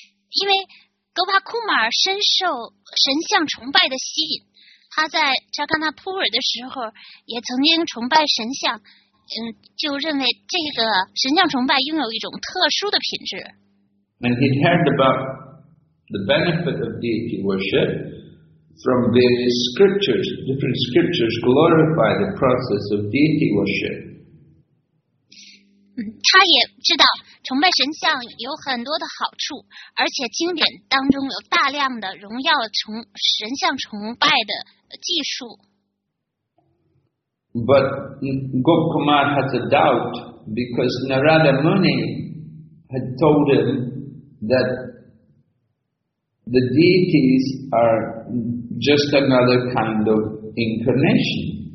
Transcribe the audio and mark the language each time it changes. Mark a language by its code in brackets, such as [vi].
[zh] 因为 Gopkumar 深受神像崇拜的吸引，他在 Jagannath Puri 的时候也曾经崇拜神像，就认为这个神像崇拜拥有一种特殊的品质。 [en] And he'd heard about the benefit of deity worship from various scriptures. Different scriptures glorify the process of deity worship. [zh] 他也知道崇拜神像有很多的好处，而且经典当中有大量的荣耀神像崇拜的技术。 [en] But Gopkumar has a doubt because Narada Muni had told him that the deities are just another kind of incarnation.